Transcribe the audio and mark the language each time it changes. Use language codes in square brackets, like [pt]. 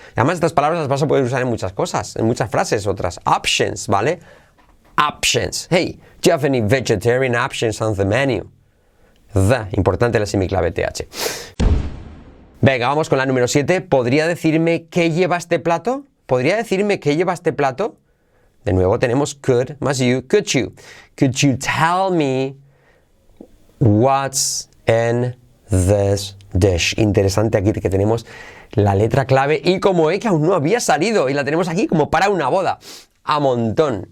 [es] Y además, estas palabras las vas a poder usar en muchas cosas, en muchas frases, otras. Options, ¿vale? Options. [en] Hey, do you have any vegetarian options on the menu? The, [es] importante la semiclave TH. Venga, vamos con la número 7. ¿Podría decirme qué lleva este plato? ¿Podría decirme qué lleva este plato? De nuevo tenemos could más you. [en] Could you? Could you tell me what's in this dish? [es] Interesante aquí que tenemos la letra clave y como E que aún no había salido y la tenemos aquí como para una boda. A montón.